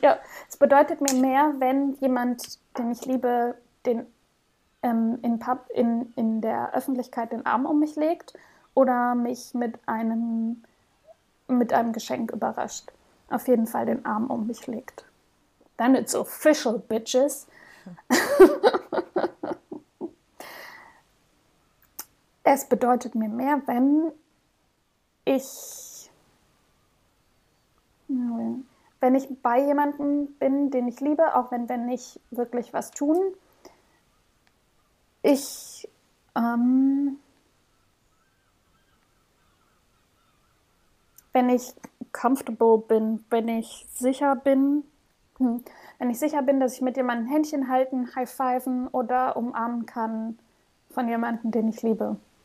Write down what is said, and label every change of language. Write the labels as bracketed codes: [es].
[de] Ja, es bedeutet mir mehr, wenn jemand, den ich liebe, den in der Öffentlichkeit den Arm um mich legt oder mich mit einem Geschenk überrascht. Auf jeden Fall den Arm um mich legt. [en] Then it's official, bitches. [de] Es bedeutet mir mehr, wenn ich. Wenn ich bei jemandem bin, den ich liebe, auch wenn wir nicht wirklich was tun, ich wenn ich comfortable bin, wenn ich sicher bin, wenn ich sicher bin, dass ich mit jemandem Händchen halten, high-fiven oder umarmen kann von jemandem, den ich liebe.